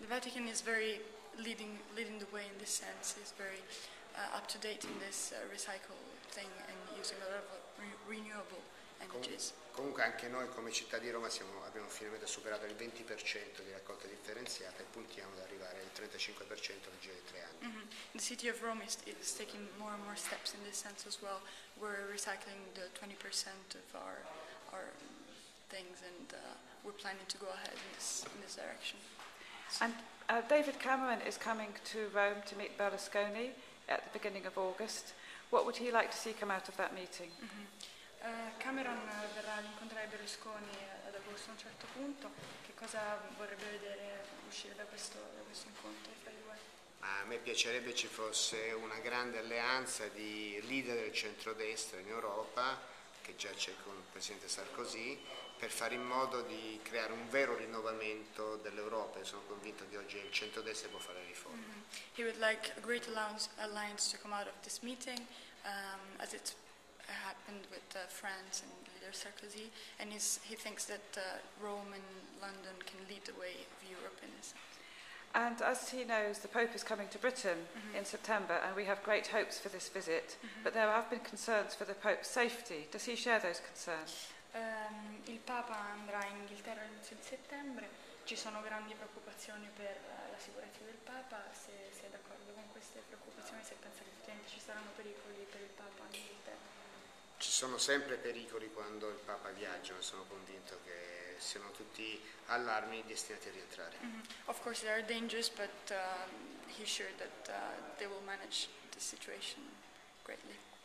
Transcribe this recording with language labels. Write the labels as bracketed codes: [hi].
[en] The Vatican is very leading the way in this sense. It's very up to date in this recycle thing and using a lot of renewable energies. [it] Comunque anche noi come città di Roma abbiamo finalmente superato il 20% di raccolta differenziata e puntiamo ad arrivare al 35% nel giro di 3 anni. Mm-hmm. [en] The city of Rome is taking more and more steps in this sense as well. We're recycling the 20% of our things, and we're planning to go ahead in this direction. And David Cameron is coming to Rome to meet Berlusconi at the beginning of August. What would he like to see come out of that meeting? Mm-hmm. [it] Cameron verrà ad incontrare Berlusconi ad agosto a un certo punto. Che cosa vorrebbe vedere uscire da questo incontro fra i due? A me piacerebbe ci fosse una grande alleanza di leader del centrodestra in Europa, che già c'è con il presidente Sarkozy, per fare in modo di creare un vero rinnovamento dell'Europa. Io sono convinto che oggi il centrodestra può fare le riforme. Mm-hmm. [en] He would like a great alliance to come out of this meeting, as it happened with France and leader Sarkozy, and he thinks that Rome and London can lead the way of Europe in this. And as he knows, the Pope is coming to Britain, mm-hmm, in September, and we have great hopes for this visit, mm-hmm, but there have been concerns for the Pope's safety. Does he share those concerns? [it] Il Papa andrà in Inghilterra all'inizio di settembre. Ci sono grandi preoccupazioni per la sicurezza del Papa. Se sei d'accordo con queste preoccupazioni, se pensa che effettivamente ci saranno pericoli per il Papa in Inghilterra? Ci sono sempre pericoli quando il Papa viaggia, sono convinto che siano tutti allarmi destinati a rientrare. Mm-hmm. [en] Of course there are dangers, but he's sure that they will manage the situation greatly.